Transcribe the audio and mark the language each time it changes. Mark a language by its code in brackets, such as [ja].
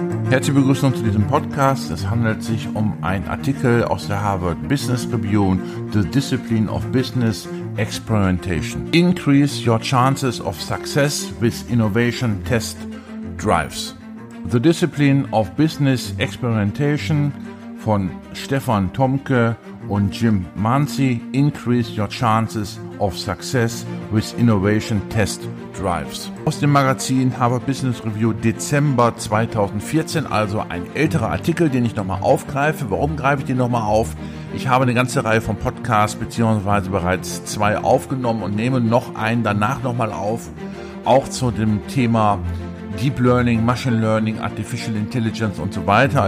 [de] Herzlich begrüßen zu diesem Podcast. Es handelt sich um einen Artikel aus der Harvard Business Review, The Discipline of Business Experimentation. [en] Increase your chances of success with innovation test drives. [de] The Discipline of Business Experimentation von Stefan Thomke und Jim Manzi. [en] Increase your chances of success with innovation test drives. [de] Aus dem Magazin Harvard Business Review Dezember 2014, also ein älterer Artikel, den ich nochmal aufgreife. Warum greife ich den nochmal auf? Ich habe eine ganze Reihe von Podcasts bzw. bereits zwei aufgenommen und nehme noch einen danach nochmal auf, auch zu dem Thema Deep Learning, Machine Learning, Artificial Intelligence und so weiter.